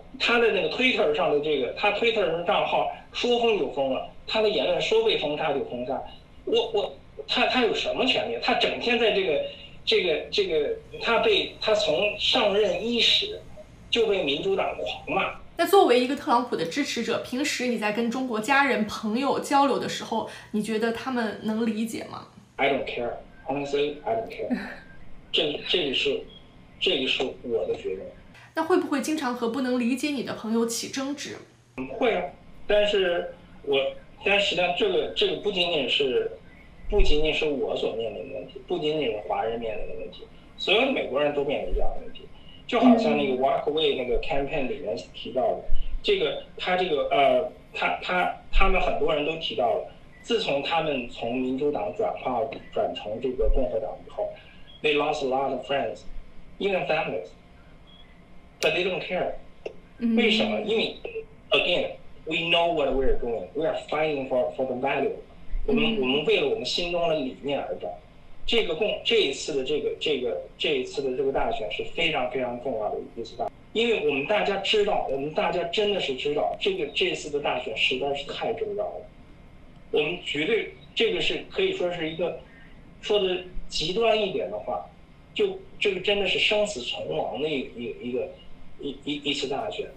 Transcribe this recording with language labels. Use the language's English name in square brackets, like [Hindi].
[Chinese] 他的那个 Twitter 上的这个，他 Twitter 上的账号说封就封了，他的言论说被封杀就封杀，他有什么权利？他整天在这个他从上任伊始就被民主党狂骂。那作为一个特朗普的支持者，平时你在跟中国家人朋友交流的时候，你觉得他们能理解吗？ [English] I don't care, honestly, I don't care. [Chinese] 这个是我的决定。那会不会经常和不能理解你的朋友起争执？会啊，但实际上这个不仅仅是我所面临的问题，不仅仅是华人面临的问题，所有的美国人都面临这样的问题。就好像那个 Walk Away 那个 campaign 里面提到的，他们很多人都提到了，自从他们从民主党转成这个共和党以后， [English] they lost a lot of friends, even families, but they don't care. [Chinese] 为什么？ [English] 因为 again, we know what we are doing. We are fighting for the value. [Chinese] 我们为了我们心中的理念而战，这一次的这个大选是非常非常重要的一次大选，因为我们大家知道，我们大家真的是知道，这次的大选实在是太重要了。我们绝对这个是可以说是一个，说的极端一点的话，就这个真的是生死存亡的一次大选。